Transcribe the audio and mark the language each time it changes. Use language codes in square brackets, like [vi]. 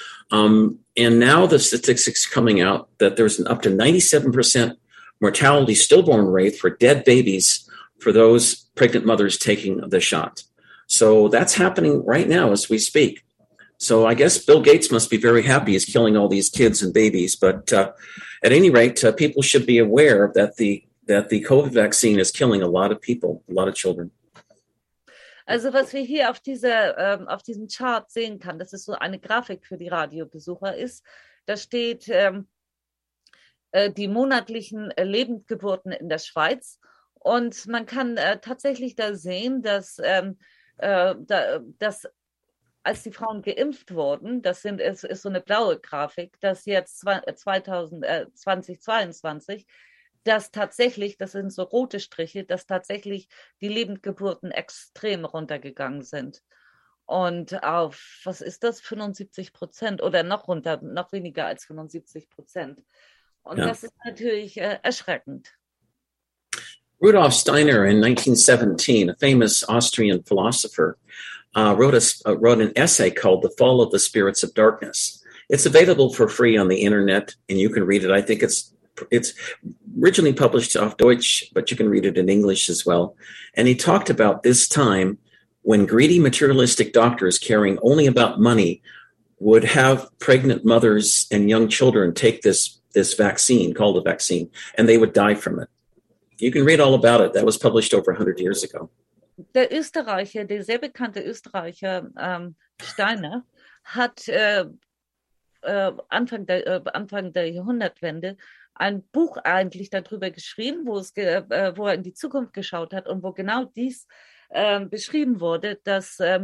[en] And now the statistics coming out that there's an up to 97% mortality stillborn rate for dead babies for those pregnant mothers taking the shot. So that's happening right now as we speak. So I guess Bill Gates must be very happy he's killing all these kids and babies. But at any rate, people should be aware that the COVID vaccine is killing a lot of people, a lot of children. [de] Also was wir hier auf diesem Chart sehen kann, das ist so eine Grafik für die Radiobesucher ist, da steht die monatlichen Lebendgeburten in der Schweiz. Und man kann tatsächlich da sehen, dass, dass als die Frauen geimpft wurden, das sind, ist so eine blaue Grafik, dass jetzt 2022, dass tatsächlich, das sind so rote Striche, dass tatsächlich die Lebendgeburten extrem runtergegangen sind. Und auf, was ist das, 75% oder noch runter, noch weniger als 75%. Und ja. Das ist natürlich erschreckend. [en] Rudolf Steiner in 1917, a famous Austrian philosopher, wrote an essay called The Fall of the Spirits of Darkness. It's available for free on the internet, and you can read it. I think it's originally published [de] auf Deutsch, [en] but you can read it in English as well. And he talked about this time when greedy materialistic doctors caring only about money would have pregnant mothers and young children take this vaccine, called a vaccine, and they would die from it. You can read all about it. That was published over 100 years ago. [de] Der Österreicher, der sehr bekannte Österreicher Steiner, hat Anfang der Jahrhundertwende ein Buch eigentlich darüber geschrieben, wo er in die Zukunft geschaut hat und wo genau dies beschrieben wurde, dass